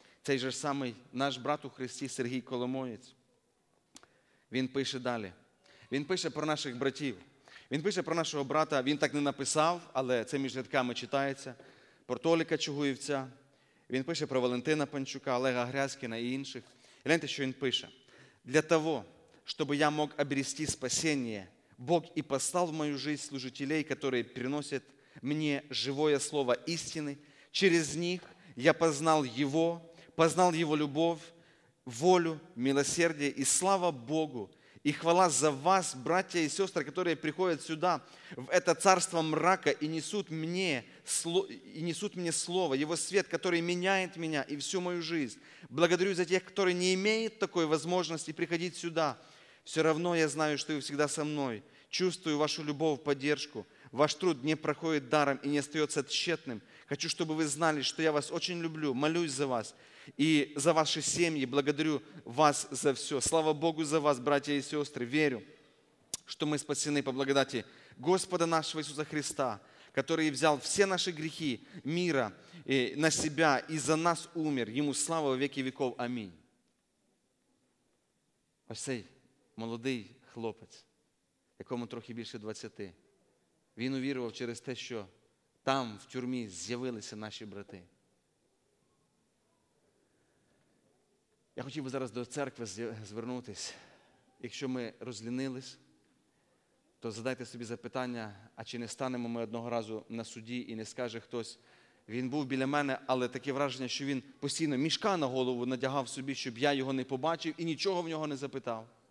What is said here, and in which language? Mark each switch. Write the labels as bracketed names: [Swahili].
[Ukrainian] Цей же самий наш брат у Христі Сергій Коломоєць. Він пише далі. Він пише про наших братів. Він пише про нашого брата. Він так не написав, але це між рядками читається. Про Толіка Чугуївця. Він пише про Валентина Панчука, Олега Грязькіна і інших. Гляньте, що він пише. [Russian] «Для того, чтобы я мог обрести спасение, Бог и послал в мою жизнь служителей, которые приносят мне живое слово истины. Через них я познал Его любовь, волю, милосердие. И слава Богу, и хвала за вас, братья и сестры, которые приходят сюда, в это царство мрака, и несут мне слово, Его свет, который меняет меня и всю мою жизнь. Благодарю за тех, которые не имеют такой возможности приходить сюда. Все равно я знаю, что вы всегда со мной. Чувствую вашу любовь, поддержку. Ваш труд не проходит даром и не остается тщетным. Хочу, чтобы вы знали, что я вас очень люблю, молюсь за вас и за ваши семьи. Благодарю вас за все. Слава Богу за вас, братья и сестры. Верю, что мы спасены по благодати Господа нашего Иисуса Христа, который взял все наши грехи мира на себя и за нас умер. Ему слава во веки веков. Аминь. [Ukrainian] Ось цей молодий хлопець, якому трохи більше 20, він увірував через те, що там, в тюрмі, з'явилися наші брати. Я хотів би зараз до церкви звернутись. Якщо ми розлінились, то задайте собі запитання, а чи не станемо ми одного разу на суді і не скаже хтось, він був біля мене, але таке враження, що він постійно мішка на голову надягав собі, щоб я його не побачив і нічого в нього не запитав.